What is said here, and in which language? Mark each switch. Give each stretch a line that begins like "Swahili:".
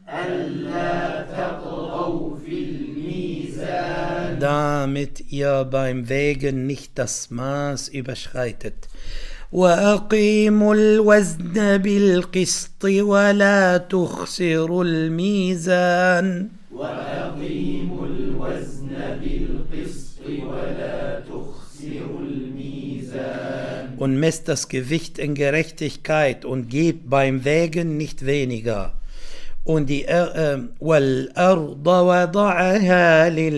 Arabic: ألا تطغوا في الميزان
German: damit ihr beim Wägen nicht das Maß überschreitet
Arabic: وأقيموا الوزن بالقسط ولا تخسروا الميزان وأقيموا الوزن بالقسط ولا
German: Und messt das Gewicht in Gerechtigkeit und gebt beim Wägen nicht weniger. Und die
Arabic: وَالْأَرْضَ وَضَعَهَا